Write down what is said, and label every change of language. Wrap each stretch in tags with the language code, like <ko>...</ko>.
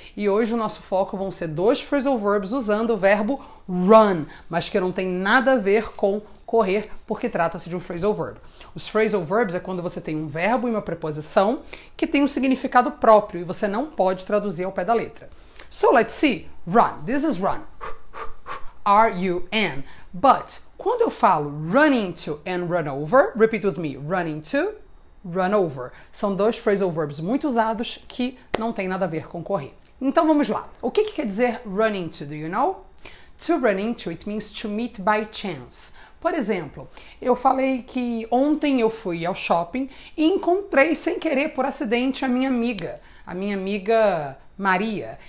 <pt>E hoje o nosso foco vão ser dois phrasal verbs usando o verbo run, mas que não tem nada a ver com correr, porque trata-se de um phrasal verb. Os phrasal verbs é quando você tem um verbo e uma preposição que tem um significado próprio e você não pode traduzir ao pé da letra.</pt> <en>So let's see, run, this is run, R-U-N. But,</en> <pt>quando eu falo</pt> <en>running to and run over, repeat with me, running to, run over.</en> <pt>São dois phrasal verbs muito usados que não tem nada a ver com correr. Então vamos lá. O que quer dizer</pt> <en>run into? Do you know? To run into, it means to meet by chance.</en> <pt>Por exemplo, eu falei que ontem eu fui ao shopping e encontrei sem querer, por acidente, a minha amiga Maria.</pt>